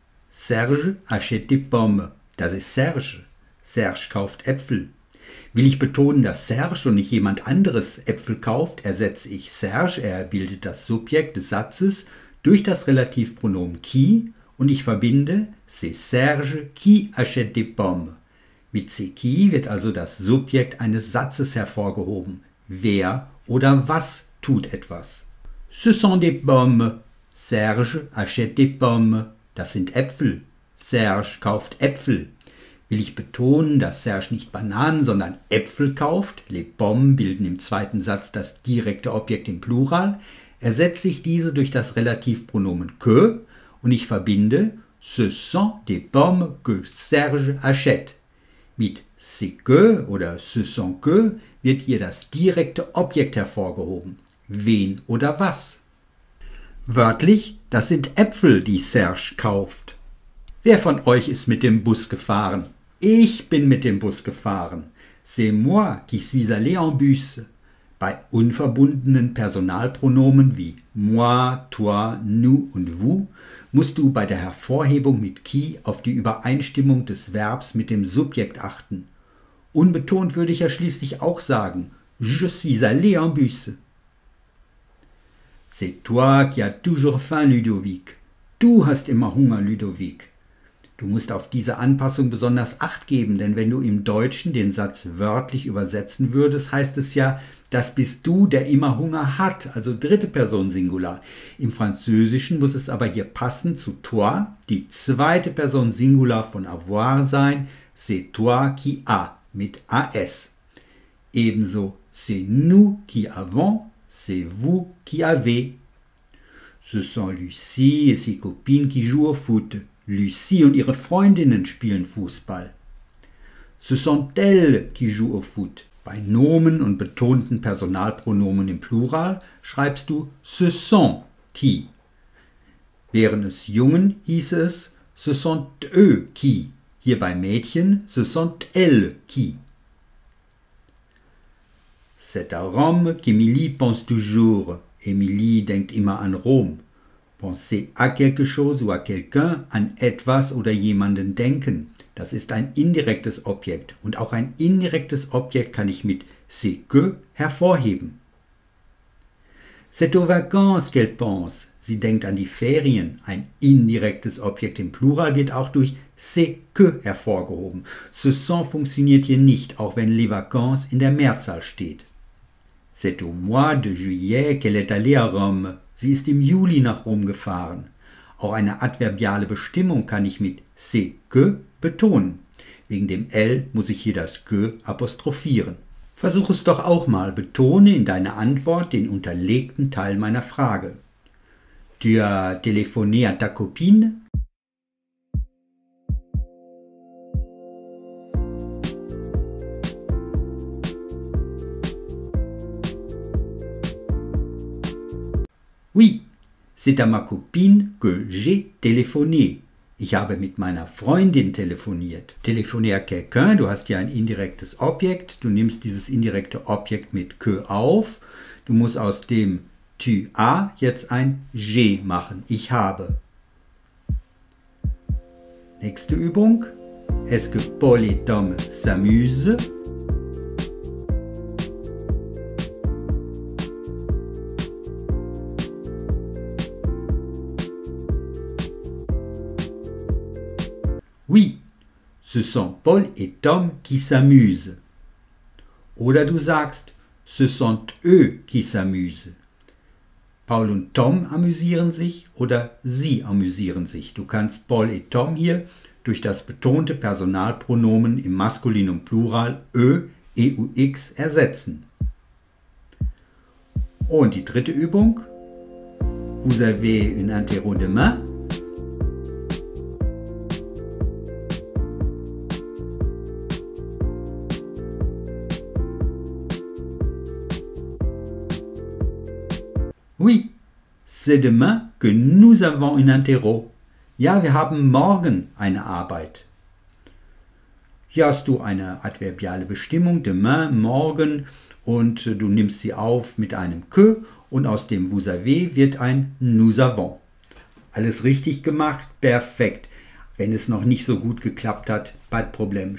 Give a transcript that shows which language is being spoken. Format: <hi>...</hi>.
<fr>Serge achète des pommes.</fr> <de>Das ist Serge. Serge kauft Äpfel. Will ich betonen, dass Serge und nicht jemand anderes Äpfel kauft, ersetze ich Serge, er bildet das Subjekt des Satzes, durch das Relativpronomen qui und ich verbinde</de> <fr>c'est Serge qui achète des pommes.</fr> <de>Mit</de> <fr>c'est qui</fr> <de>wird also das Subjekt eines Satzes hervorgehoben. Wer oder was tut etwas?</de> <fr>Ce sont des pommes. Serge achète des pommes.</fr> <de>Das sind Äpfel. Serge kauft Äpfel. Will ich betonen, dass Serge nicht Bananen, sondern Äpfel kauft?</de> <fr>Les pommes</fr> <de>bilden im zweiten Satz das direkte Objekt im Plural. Ersetze ich diese durch das Relativpronomen que und ich verbinde</de> <fr>ce sont des pommes que Serge achète.</fr> <de>Mit</de> <fr>c'est que</fr> <de>oder</de> <fr>ce sont que</fr> <de>wird hier das direkte Objekt hervorgehoben. Wen oder was? Wörtlich, das sind Äpfel, die Serge kauft. Wer von euch ist mit dem Bus gefahren? Ich bin mit dem Bus gefahren.</de> <fr>C'est moi qui suis allé en bus.</fr> <de>Bei unverbundenen Personalpronomen wie moi, toi, nous und vous musst du bei der Hervorhebung mit qui auf die Übereinstimmung des Verbs mit dem Subjekt achten. Unbetont würde ich ja schließlich auch sagen,</de> <fr>je suis allé en bus. C'est toi qui as toujours faim, Ludovic.</fr> <de>Du hast immer Hunger, Ludovic. Du musst auf diese Anpassung besonders Acht geben, denn wenn du im Deutschen den Satz wörtlich übersetzen würdest, heißt es ja, das bist du, der immer Hunger hat, also dritte Person Singular. Im Französischen muss es aber hier passend zu toi, die zweite Person Singular von avoir sein,</de> <fr>c'est toi qui a,</fr> <de>mit as. Ebenso</de> <fr>c'est nous qui avons, c'est vous qui avez. Ce sont Lucie et ses copines qui jouent au foot.</fr> <de>Lucie und ihre Freundinnen spielen Fußball.</de> <fr>Ce sont elles qui jouent au foot.</fr> <de>Bei Nomen und betonten Personalpronomen im Plural schreibst du</de> <fr>ce sont qui.</fr> <de>Während es Jungen hieß es</de> <fr>ce sont eux qui.</fr> <de>Hier bei Mädchen</de> <fr>ce sont elles qui. C'est à Rome qu'Emilie pense toujours.</fr> <de>Emilie denkt immer an Rom.</de> <fr>Penser à quelque chose ou à quelqu'un,</fr> <de>an etwas oder jemanden denken. Das ist ein indirektes Objekt. Und auch ein indirektes Objekt kann ich mit</de> <fr>c'est que</fr> <de>hervorheben.</de> <fr>C'est aux vacances qu'elle pense.</fr> <de>Sie denkt an die Ferien. Ein indirektes Objekt im Plural wird auch durch</de> <fr>c'est que</fr> <de>hervorgehoben.</de> <fr>Ce sont</fr> <de>funktioniert hier nicht, auch wenn</de> <fr>les vacances</fr> <de>in der Mehrzahl steht.</de> <fr>C'est au mois de juillet qu'elle est allée à Rome.</fr> <de>Sie ist im Juli nach Rom gefahren. Auch eine adverbiale Bestimmung kann ich mit</de> <fr>c'est que</fr> <de>betonen. Wegen dem L muss ich hier das que apostrophieren. Versuch es doch auch mal. Betone in deiner Antwort den unterlegten Teil meiner Frage.</de> <fr>Tu as téléphoné à ta copine? Oui, c'est à ma copine que j'ai téléphoné.</fr> <de>Ich habe mit meiner Freundin telefoniert.</de> <fr>Téléphoner à quelqu'un,</fr> <de>du hast ja ein indirektes Objekt. Du nimmst dieses indirekte Objekt mit que auf. Du musst aus dem</de> <fr>tu as</fr> <de>jetzt ein</de> <fr>j'ai</fr> <de>machen. Ich habe. Nächste Übung.</de> <fr>Est-ce que Paul et Tom s'amusent? Oui, ce sont Paul et Tom qui s'amusent.</fr> <de>Oder du sagst,</de> <fr>ce sont eux qui s'amusent.</fr> <de>Paul und Tom amüsieren sich oder sie amüsieren sich. Du kannst</de> <fr>Paul et Tom</fr> <de>hier durch das betonte Personalpronomen im Maskulinum Plural e u x ersetzen. Und die dritte Übung.</de> <fr>Vous avez une interro demain? Oui, c'est demain que nous avons une interro.</fr> <de>Ja, wir haben morgen eine Arbeit. Hier hast du eine adverbiale Bestimmung, demain, morgen, und du nimmst sie auf mit einem que und aus dem</de> <fr>vous avez</fr> <de>wird ein</de> <fr>nous avons.</fr> <de>Alles richtig gemacht? Perfekt. Wenn es noch nicht so gut geklappt hat,</de> <fr>pas de problème.</fr>